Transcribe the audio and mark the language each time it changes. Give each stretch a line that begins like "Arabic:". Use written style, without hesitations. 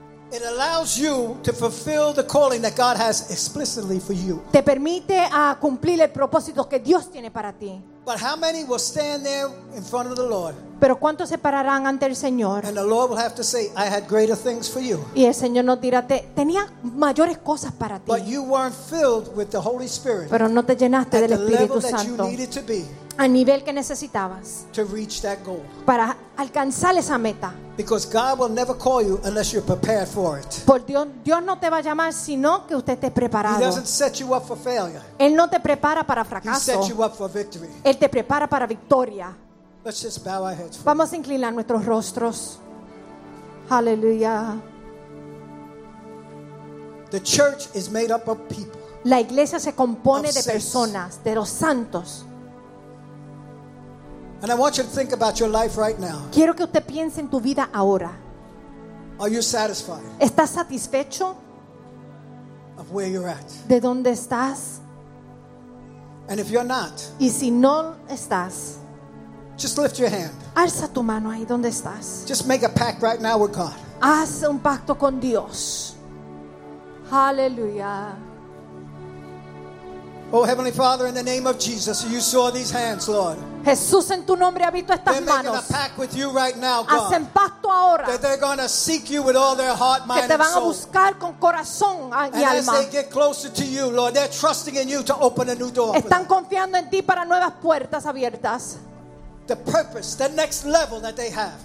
English: It allows you to fulfill the calling that God has explicitly for you.
Spanish: Te permite a cumplir el propósito que Dios tiene para ti.
English: But how many will stand there in front of the Lord?
Spanish: Pero ¿cuántos se pararán ante el Señor?
English: And the Lord will have to say, I had greater things for you.
Spanish: Y el Señor nos dirá, tenía mayores cosas para ti.
English: But you weren't filled with the Holy Spirit.
Spanish: Pero no te llenaste del Espíritu Santo.
English: At the level that you needed to be.
Spanish: Al nivel que necesitabas.
English: To reach that goal.
Spanish: Para alcanzar esa meta.
English: Because God will never call you unless you're prepared for it.
Spanish: Por Dios, Dios no te va a llamar sino que usted esté preparado.
English: He doesn't set you up for failure.
Spanish: Él no te prepara para fracaso.
English: He sets you up for victory.
Spanish: Él te prepara para victoria.
English: Let's just bow our heads.
Spanish: Vamos a inclinar nuestros rostros. Hallelujah.
English: The church is made up of people.
Spanish: La iglesia se compone de personas, de los santos.
English: And I want you to think about your life right now.
Spanish: Quiero que usted piense en tu vida ahora.
English: Are you satisfied?
Spanish: ¿Estás satisfecho?
English: Of where you're at.
Spanish: ¿De dónde estás?
English: And if you're not,
Spanish: y si no estás,
English: just lift your hand.
Spanish: Alza tu mano ahí donde estás.
English: Just make a pact right now with God.
Spanish: Haz un pacto con Dios. Hallelujah.
English: Oh Heavenly Father, in the name of Jesus, you saw these hands, Lord.
Spanish: Jesús, en tu nombre ha visto estas
English: they're
Spanish: manos.
English: They're making a pact with you right now, God.
Spanish: Hacen pacto ahora.
English: That they're going to seek you with all their heart, mind,
Spanish: que te van
English: and soul.
Spanish: A buscar con corazón y
English: and
Spanish: alma.
English: As they get closer to you, Lord, they're trusting in you to open a new door.
Spanish: Están confiando en ti para nuevas puertas abiertas.
English: The purpose, the next level that they have.